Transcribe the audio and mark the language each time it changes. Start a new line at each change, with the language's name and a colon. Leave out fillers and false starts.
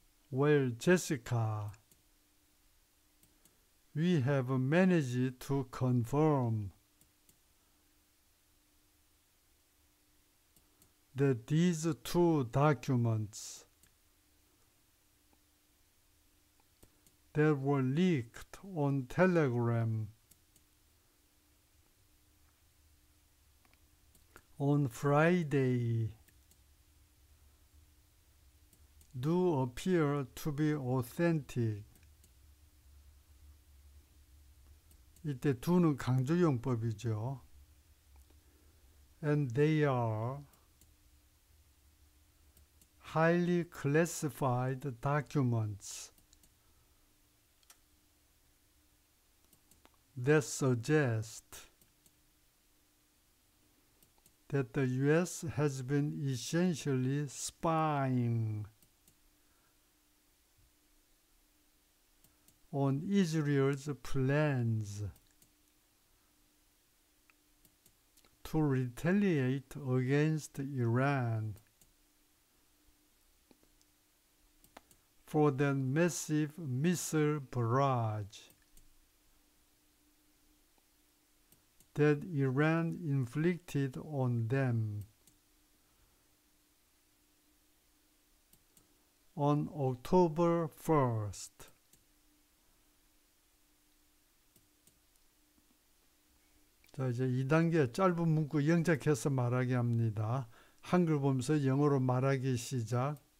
English: Well, Jessica, we have managed to confirm that these two documents that were leaked on Telegram on Friday do appear to be authentic.
Korean: 이때 두는 강조 용법이죠.
English: And they are highly classified documents that suggest that the US has been essentially spying on Israel's plans to retaliate against Iran for that massive missile barrage that Iran inflicted on them on October 1st.
Korean: 자, 이제 2단계 짧은 문구 영작해서 말하게 합니다. 한글 보면서 영어로 말하기 시작.